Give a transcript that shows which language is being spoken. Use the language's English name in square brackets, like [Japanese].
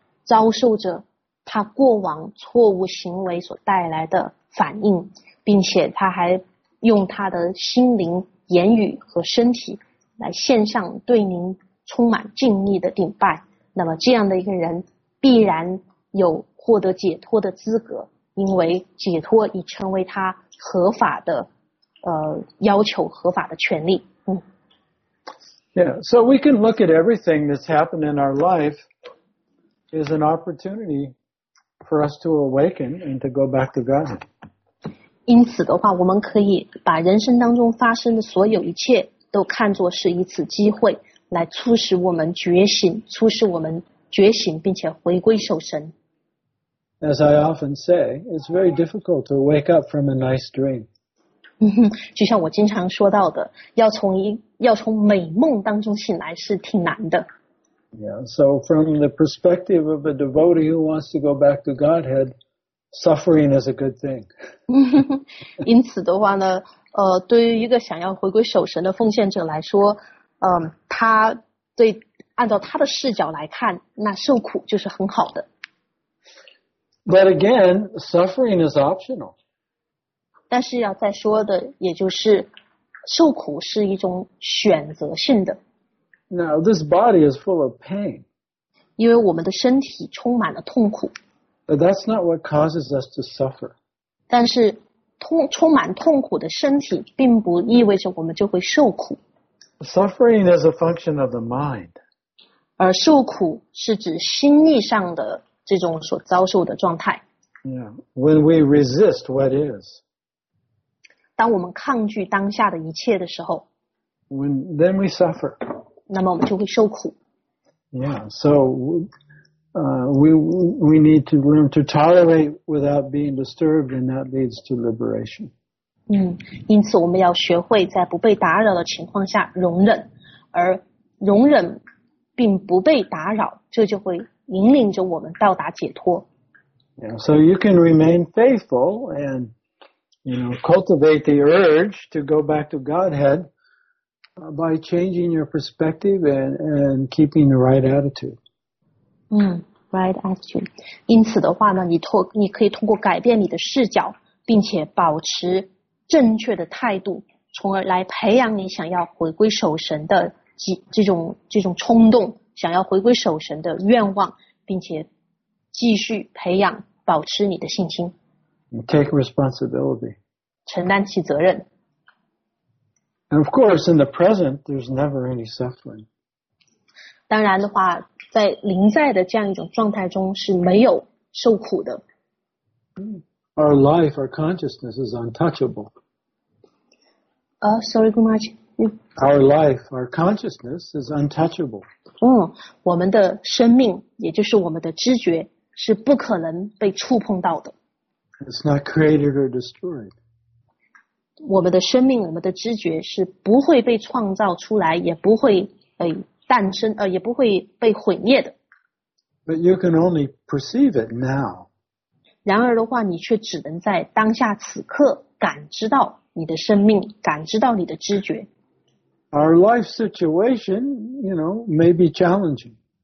[Chinese] 遭受着他过往错误行为所带来的反应，并且他还用他的心灵、言语和身体来献上对您充满敬意的顶拜，那么这样的一个人必然有获得解脱的资格，因为解脱已成为他合法的要求，合法的权利。 [English] Yeah, so we can look at everything that's happened in our life as an opportunity for us to awaken and to go back to God. [Chinese] 因此的话，我们可以把人生当中发生的所有一切都看作是一次机会，来促使我们觉醒，促使我们觉醒，并且回归受神。 [English] As I often say, it's very difficult to wake up from a nice dream. [Chinese] 就像我经常说到的，要从美梦当中醒来是挺难的。 [English] Yeah, so from the perspective of a devotee who wants to go back to Godhead, suffering is a good thing. [Chinese] 因此的话呢，对于一个想要回归守神的奉献者来说，他对按照他的视角来看，那受苦就是很好的。 [English] But again, suffering is optional. [Chinese] 但是要再说的也就是受苦是一种选择性的。 [English] Now, this body is full of pain. [Chinese] 因为我们的身体充满了痛苦。 [English] But that's not what causes us to suffer. [Chinese] 但是充满痛苦的身体并不意味着我们就会受苦。 [English] Suffering is a function of the mind. [Chinese] 而受苦是指心意上的这种所遭受的状态。 [English] Yeah, when we resist what is. [Chinese] 当我们抗拒当下的一切的时候。 [English] Then we suffer. [Chinese] 那么我们就会受苦。 [English] Yeah, so we need to learn to tolerate without being disturbed, and that leads to liberation. [Chinese] 因此我们要学会在不被打扰的情况下容忍，而容忍并不被打扰，这就会引领着我们到达解脱。 [English] Yeah, so you can remain faithful and, you know, cultivate the urge to go back to Godhead by changing your perspective and keeping the right attitude. Right attitude. [Chinese] 因此的话呢，你可以通过改变你的视角，并且保持正确的态度，从而来培养你想要回归守神的这种冲动。想要回归守神的愿望，并且继续培养，保持你的信心。 [English] Take responsibility. [Chinese] 承担起责任。 [English] And of course, in the present, there's never any suffering. [Chinese] 当然的话，在临在的这样一种状态中是没有受苦的。 [English] Our life, our consciousness is untouchable. Sorry, Gumaj. Our life, our consciousness is untouchable. [Chinese] 我们的生命也就是我们的知觉是不可能被触碰到的。 [English] It's not created or destroyed. [Chinese] 我们的生命，我们的知觉是不会被创造出来，也不会诞生，也不会被毁灭的。 [English] But you can only perceive it now. [Chinese] 然而的话，你却只能在当下此刻感知到你的生命，感知到你的知觉。 [English] Our life situation, you know, may be challenging.